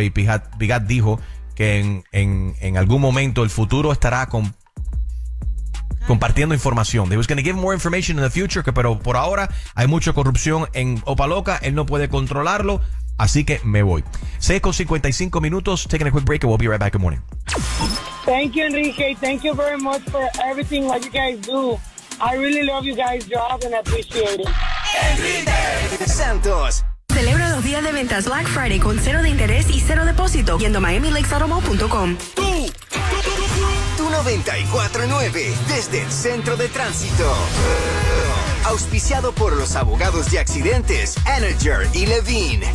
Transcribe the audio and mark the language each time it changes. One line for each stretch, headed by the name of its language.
Spanish: Y Bigat dijo que en algún momento el futuro estará compartiendo información.
English: They was going to give more information in the future,
Spanish: pero por ahora hay mucha corrupción en Opa-Locka. Él no puede controlarlo, así que me voy.
English: 6:55, taking a quick break, and we'll be right back in the morning. Thank you, Enrique. Thank you very much for everything what you guys do. I really love you guys' job and appreciate it. Enrique Santos.
Spanish: Celebra los días de ventas Black Friday con cero de interés y cero depósito yendo a MiamiLakesAutoMall.com. Tú 94.9 desde el centro de tránsito. Auspiciado por los abogados de accidentes Energer y Levine.